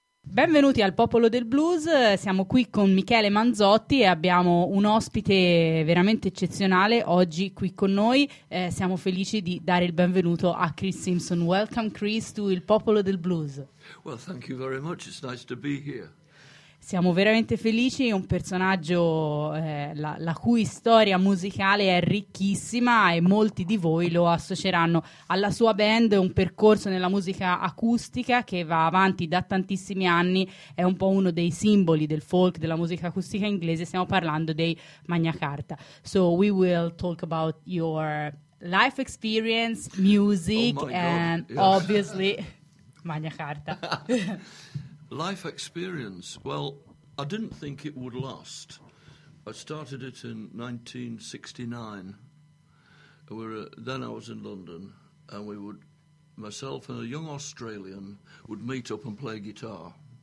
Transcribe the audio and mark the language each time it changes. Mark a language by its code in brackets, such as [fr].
[it] Benvenuti al Popolo del Blues, siamo qui con Michele Manzotti e abbiamo un ospite veramente eccezionale oggi qui con noi. Siamo felici di dare il benvenuto a Chris Simpson. [en] Welcome Chris to il Popolo del Blues. Well, thank you very much, it's nice to be here. [it] Siamo veramente felici, un personaggio la cui storia musicale è ricchissima e molti di voi lo associeranno alla sua band, un percorso nella musica acustica che va avanti da tantissimi anni, è un po' uno dei simboli del folk, della musica acustica inglese, stiamo parlando dei Magna Carta. [en] So we will talk about your life experience, music, obviously Magna Carta. Life experience, well, I didn't think it would last. I started it in 1969. Then I was in London, and myself and a young Australian would meet up and play guitar.